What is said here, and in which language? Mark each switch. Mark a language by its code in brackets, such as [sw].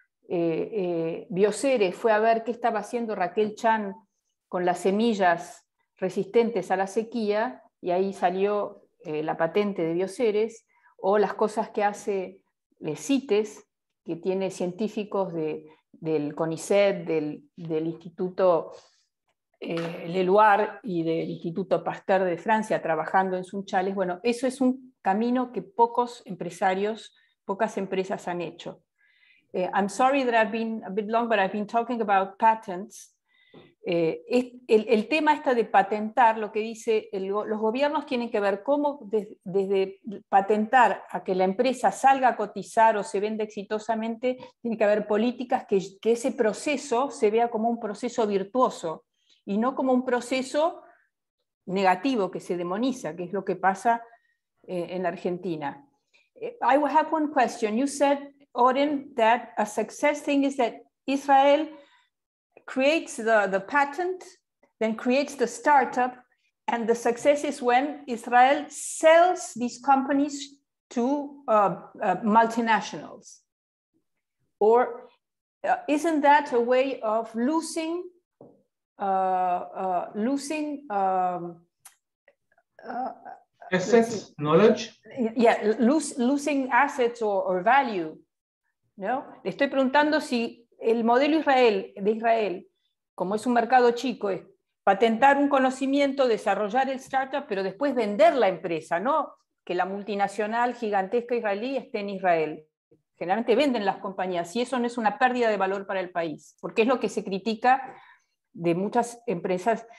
[es] Bioceres fue a ver qué estaba haciendo Raquel Chan con las semillas resistentes a la sequía, y ahí salió la patente de Bioceres, o las cosas que hace CITES, que tiene científicos del CONICET, del Instituto Leloir y del Instituto Pasteur de Francia, trabajando en Sunchales. Bueno, eso es un camino que pocas empresas han hecho. [en] I'm sorry that I've been a bit long, but I've been talking about patents. [es] El tema está de patentar, lo que dice, los gobiernos tienen que ver cómo desde patentar a que la empresa salga a cotizar o se venda exitosamente, tiene que haber políticas que ese proceso se vea como un proceso virtuoso y no como un proceso negativo que se demoniza, que es lo que pasa en la Argentina. [en] I have one question. You said, Oren, that a success thing is that Israel creates the patent, then creates the startup, and the success is when Israel sells these companies to multinationals. Or isn't that a way of losing assets or value? [es] No, le estoy preguntando si el modelo de Israel, como es un mercado chico, es patentar un conocimiento, desarrollar el startup, pero después vender la empresa, no que la multinacional gigantesca israelí esté en Israel. Generalmente venden las compañías, y eso no es una pérdida de valor para el país, porque es lo que se critica de muchas empresas.